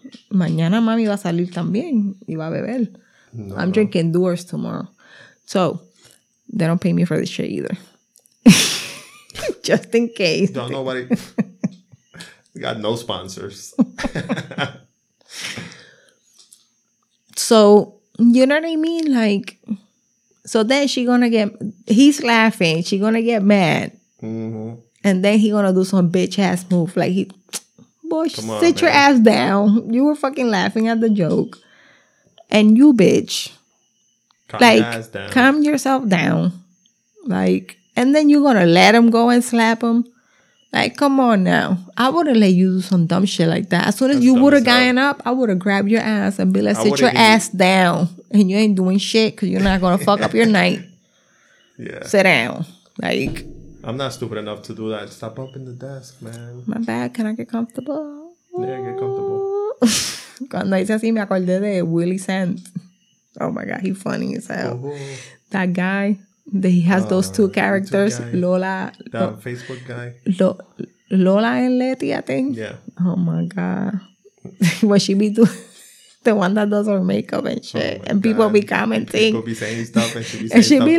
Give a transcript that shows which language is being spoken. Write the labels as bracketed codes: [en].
[es] Mañana mami va a salir también. Y va a beber. [en] No. I'm drinking Doors tomorrow. So, they don't pay me for this shit either. Just in case. Don't nobody. Got no sponsors. So, you know what I mean? Like, so then she gonna get, he's laughing. She gonna get mad. Mm-hmm. And then he gonna do some bitch ass move. Like, he, boy, come sit on, your ass down. You were fucking laughing at the joke. And you, bitch, calm yourself down. Like, and then you gonna let him go and slap him. Like, come on now. I wouldn't let you do some dumb shit like that. As soon as you would have gotten up, I would have grabbed your ass and be like, sit your ass down. And you ain't doing shit because you're not going to fuck up your night. Yeah. Sit down. Like. I'm not stupid enough to do that. Stop bumping the desk, man. My bad. Can I get comfortable? Yeah, get comfortable. [es] Cuando hice así, me acordé de Willie Sands. [en] Oh, my God. He's funny as hell. Uh-huh. That guy. He has those two characters, Lola. The Facebook guy. Lola and Letty, I think. Yeah. Oh, my God. What she be doing? The one that does her makeup and shit. Oh, and people be commenting. People be saying stuff and she be saying stuff back. And she be